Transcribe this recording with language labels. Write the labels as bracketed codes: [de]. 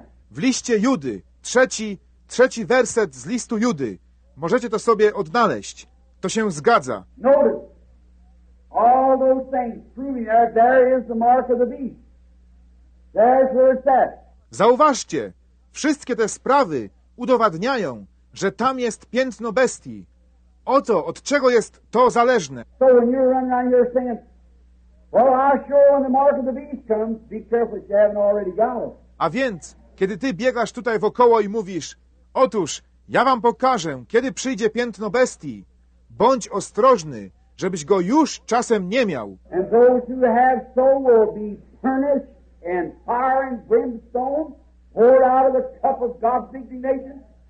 [pl] W liście Judy, trzeci werset z listu Judy. Możecie to sobie odnaleźć. To się zgadza. [en] Notice, all those things proving that there is the mark of the beast. There's where it's at. [pl] Zauważcie, wszystkie te sprawy udowadniają, że tam jest piętno bestii. Oto, od czego jest to zależne. [en] So when you're running around here saying, well, I'm sure when the mark of the beast comes, be careful if you haven't already got it. [pl] A więc, kiedy ty biegasz tutaj wokoło i mówisz, otóż, ja wam pokażę, kiedy przyjdzie piętno bestii, bądź ostrożny, żebyś go już czasem nie miał. [en] And those who have so will be punished and fire and brimstone poured out of the cup of God's indignation.